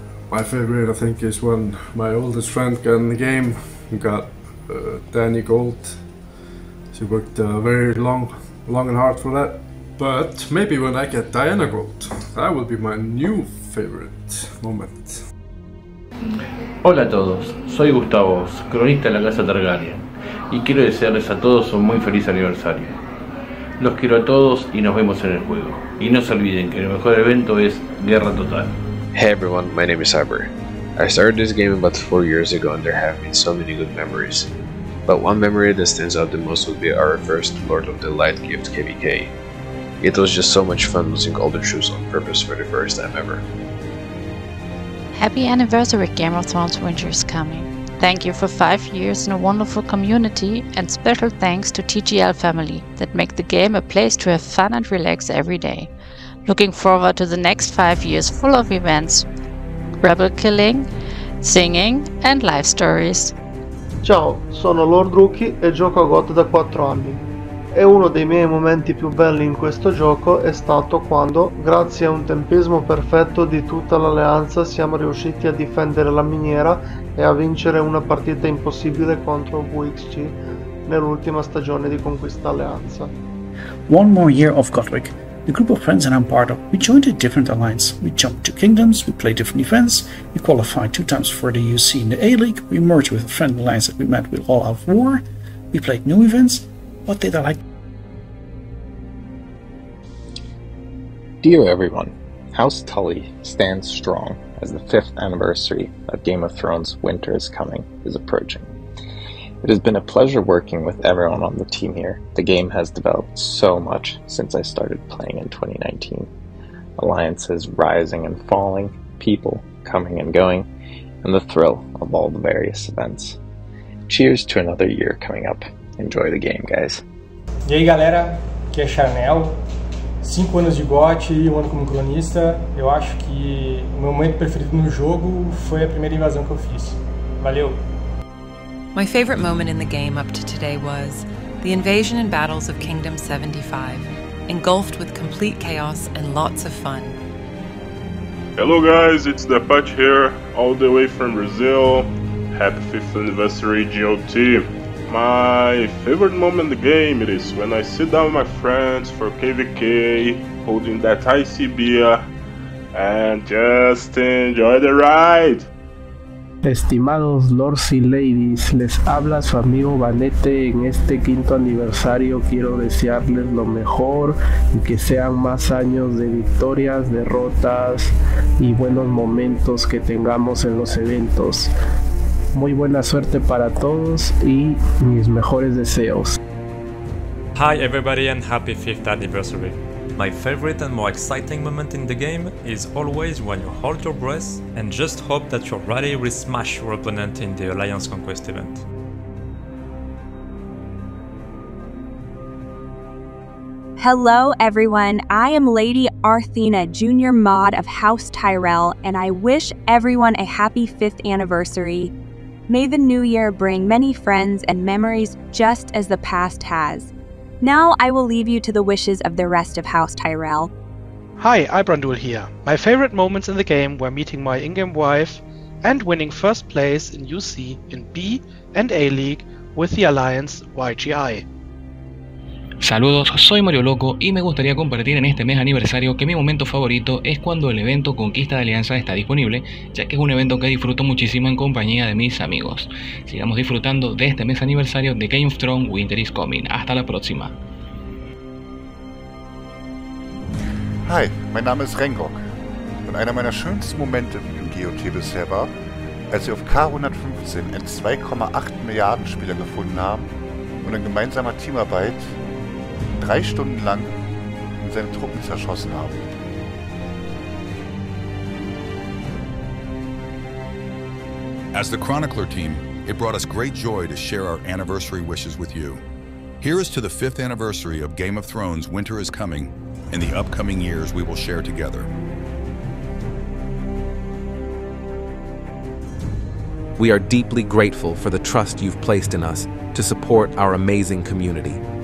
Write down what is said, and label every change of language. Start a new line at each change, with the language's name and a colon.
English: My favorite, I think, is when my oldest friend got in the game. We got Danny Gold. She worked very long and hard for that. But maybe when I get Diana Gold, that will be my new favorite moment.
Spanish: Hola a todos, soy Gustavo, cronista de la Casa Targaryen, y quiero desearles a todos un muy feliz aniversario. Los quiero a todos y nos vemos en el juego. Y no se olviden que el mejor evento es Guerra Total.
English: Hey everyone, my name is Harper. I started this game about 4 years ago and there have been so many good memories. But one memory that stands out the most would be our first Lord of the Light gift, KVK. It was just so much fun losing all the troops on purpose for the first time ever. Happy anniversary, Game of Thrones Winter is Coming. Thank you for 5 years in a wonderful community, and special thanks to TGL family that make the game a place to have fun and relax every day. Looking forward to the next 5 years full of events, rebel killing, singing, and live stories.
Italian: Ciao, sono Lord Rookie e gioco a GOT da 4 anni. E uno dei miei momenti più belli in questo gioco è stato quando, grazie a un tempismo perfetto di tutta l'alleanza, siamo riusciti a difendere la miniera e a vincere una partita impossibile contro WXG nell'ultima stagione di Conquista Alleanza.
English: One more year of Godric. The group of friends and I'm part of, we joined a different alliance. We jumped to kingdoms, we played different events, we qualified 2 times for the UC in the A-League, we merged with a friend alliance that we met with All Out War, we played new events. What did I like? Dear everyone, House Tully stands strong as the 5th anniversary of Game of Thrones Winter is Coming is approaching. It has been a pleasure working with everyone on the team here. The game has developed so much since I started playing in 2019. Alliances rising and falling, people coming and going, and the thrill of all the various events. Cheers to another year coming up. Enjoy the game, guys.
Portuguese: E aí galera, aqui é Charnel. 5 anos de GOT e 1 ano como cronista. Eu acho que o meu momento preferido no jogo foi a primeira invasão que eu fiz. Valeu!
English: My favorite moment in the game up to today was the invasion and battles of Kingdom 75, engulfed with complete chaos and lots of fun. Hello guys, it's the Apache here, all the way from Brazil. Happy 5th anniversary, GOT. My favorite moment in the game it is when I sit down with my friends for KVK, holding that icy beer, and just enjoy the ride!
Spanish: Estimados lords y ladies, les habla su amigo Vanette. En este quinto aniversario quiero desearles lo mejor y que sean más años de victorias, derrotas y buenos momentos que tengamos en los eventos. Muy buena suerte para todos y mis mejores deseos.
English: Hi everybody and happy 5th anniversary. My favorite and more exciting moment in the game is always when you hold your breath and just hope that your rally will smash your opponent in the Alliance Conquest event. Hello everyone, I am Lady Arthena, Junior Mod of House Tyrell, and I wish everyone a happy 5th anniversary. May the new year bring many friends and memories just as the past has. Now I will leave you to the wishes of the rest of House Tyrell. Hi, Ibrandul here. My favorite moments in the game were meeting my in-game wife and winning first place in UC in B and A League with the Alliance YGI.
Spanish: Saludos, soy Mario Loco y me gustaría compartir en este mes aniversario que mi momento favorito es cuando el evento Conquista de Alianza está disponible, ya que es un evento que disfruto muchísimo en compañía de mis amigos. Sigamos disfrutando de este mes aniversario de Game of Thrones Winter is Coming. Hasta la próxima.
German: Hi, mein Name ist Rengok. Und einer meiner schönsten Momente im GOT bisher war, als wir auf K115 in 2,8 Milliarden Spieler gefunden haben und in gemeinsamer Teamarbeit 3 Stunden lang seine Truppen zerschossen haben.
English: As the Chronicler team, it brought us great joy to share our anniversary wishes with you. Here is to the 5th anniversary of Game of Thrones Winter is Coming and the upcoming years we will share together. We are deeply grateful for the trust you've placed in us to support our amazing community.